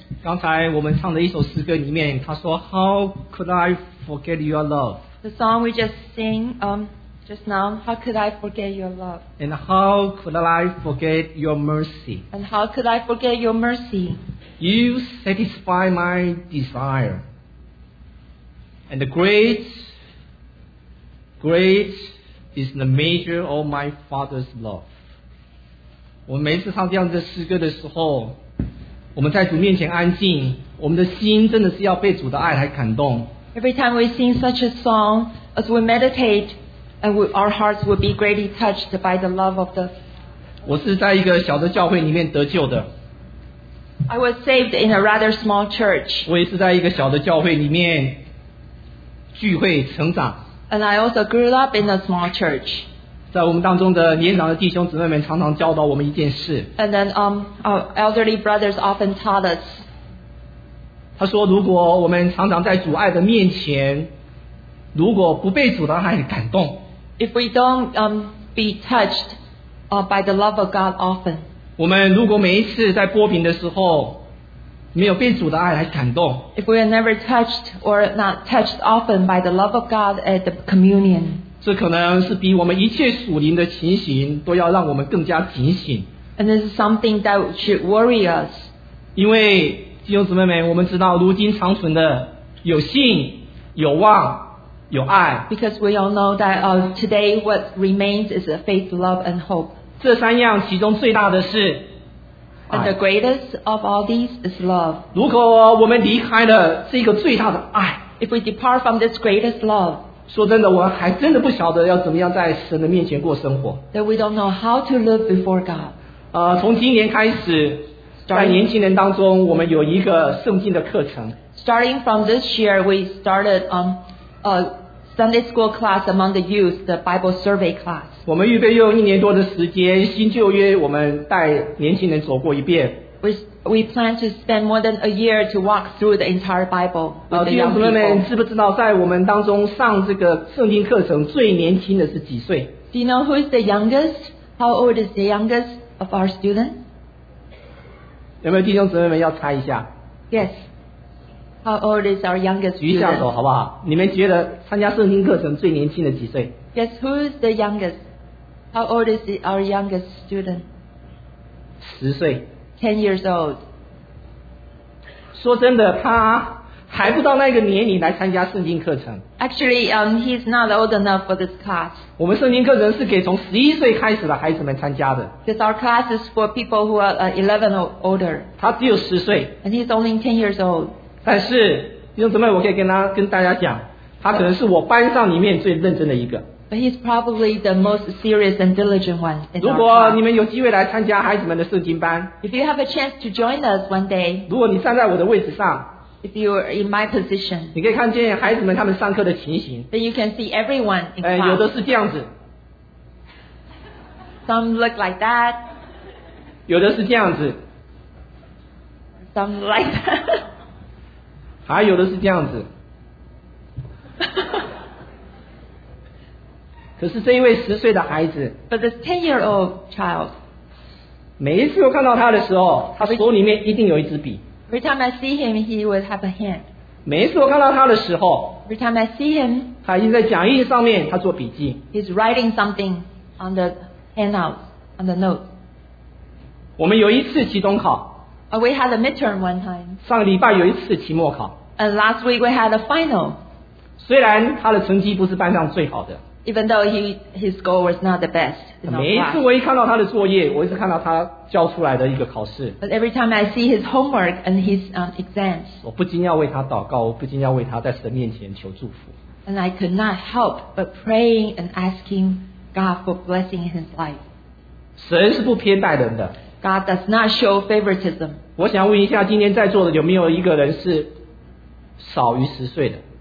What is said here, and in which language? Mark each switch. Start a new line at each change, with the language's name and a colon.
Chinese: 刚才我们唱的一首诗歌里面，他说
English: How could I forget your love? The song we just sing just now, How could I forget your love? And how could I forget your mercy? And how could I forget your mercy? You satisfy my desire. And the great, great is the measure of my Father's love.
Chinese: 我们每次唱这样的诗歌的时候，我们在主面前安静，我们的心真的是要被主的爱来感动。
English: Every time we sing such a song, as we meditate, and we, our hearts will be greatly touched by the love of the.
Chinese: 我是在一个小的教会里面得救的。
English: I was saved in a rather small church.
Chinese: 我也是在一个小的教会里面聚会成长。
English: And I also grew up in a small church.
Chinese: 在我们当中的年长的弟兄姊妹们常常教导我们一件事。
English: And then our elderly brothers often taught us.
Chinese: 他说如果我们常常在主爱的面前，如果不被主的爱感动，
English: If we don't be touched by the love of God often,
Chinese: 我们如果每一次在剥饼的时候没有被主的爱来感动，
English: If we are never touched or not touched often by the love of God at the communion,
Chinese: 这可能是比我们一切属灵的情形都要让我们更加警醒。
English: And this is something that should worry us.
Chinese: 因为弟兄姊妹们，我们知道如今长存的有信、有望、有爱。
English: Because we all know that today what remains is a faith, love, and hope.
Chinese: 这三样其中最大的是
English: And the greatest of all these is love.
Chinese: 如果我们离开了这个最大的爱，
English: If we depart from this greatest love,
Chinese: 说真的，我还真的不晓得要怎么样在神的面前过生活。
English: That we don't know how to live before God.
Chinese: 从今年开始，在年轻人当中我们有一个圣经的课程。
English: Starting from this year, we started a Sunday school class among the youth, the Bible survey class.
Chinese: 我们预备用一年多的时间，新旧约我们带年轻人走过一遍。
English: We plan to spend more than a year to walk through the entire Bible with the young people.
Chinese: 弟兄姊妹们，知不知道在我们当中上这个圣经课程最年轻的是几岁？
English: Do you know who is the youngest? How old is the youngest of our students?
Chinese: 有没有弟兄姊妹们要猜一下？
English: Yes. How old is our youngest student?
Chinese: 举下手好不好？你们觉得参加圣经课程最年轻的几岁？
English: Guess who is the youngest? How old is our youngest student?
Chinese: 十岁。
English: 10 years old.
Chinese: 说真的，他还不到那个年龄来参加圣经课程。
English: Actually, he's not old enough for this class.
Chinese: 我们圣经课程是给从11岁开始的孩子们参加的。
English: Because our class is for people who are 11 or older.
Chinese: 他只有十岁。
English: And he's only 10 years old.
Chinese: 但是弟兄姊妹，我可以跟大家讲，他可能是我班上里面最认真的一个。
English: But he's probably the most serious and diligent one.
Chinese: 如果你们有机会来参加孩子们的圣经班，
English: If you have a chance to join us one day,
Chinese: 如果你站在我的位置上，
English: If you are in my position,
Chinese: 你可以看见孩子们他们上课的情形。
English: Then you can see everyone in class.
Chinese: 有的是这样子。
English: Some look like that.
Chinese: 有的是这样子。
English: Some like that.
Chinese: 还有的是这样子。可是这一位十岁的孩子，
English: But this 10-year-old child,
Chinese: 每一次我看到他的时候，他手里面一定有一支笔。
English: Every time I see him, he would have a hand.
Chinese: 每一次我看到他的时候，
English: Every time I see him,
Chinese: 他已经在讲义上面他做笔记。
English: He's writing something on the handout, on the note.
Chinese: 我们有一次期中考，
English: We had a midterm one time.
Chinese: 上礼拜有一次期末考。
English: And last week we had a final.
Chinese: 虽然他的成绩不是班上最好的。
English: Even though his score was not the best.
Chinese: 每一次我一看到他的作业，我一直看到他交出来的一个考试。
English: But every time I see his homework and his exams.
Chinese: 我不禁要为他祷告，我不禁要为他在神面前求祝福。
English: And I could not help but praying and asking God for blessing in his life.
Chinese: 神是不偏待人的。
English: God does not show favoritism.
Chinese: 我想问一下，今天在座的有没有一个人是少于十岁的？